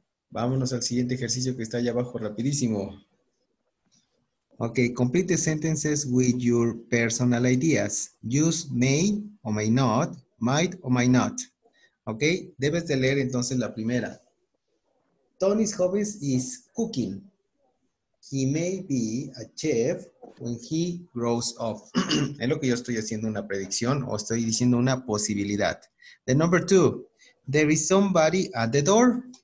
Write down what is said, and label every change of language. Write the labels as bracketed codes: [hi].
[es] Vámonos al siguiente ejercicio que está allá abajo rapidísimo. [en] Okay, complete the sentences with your personal ideas. Use may or may not, might or might not. [es] Okay, debes de leer entonces la primera. [en] Tony's hobbies is cooking. He may be a chef when he grows up. [es] Es lo que yo estoy haciendo una predicción o estoy diciendo una posibilidad. [en] The number two, there is somebody at the door.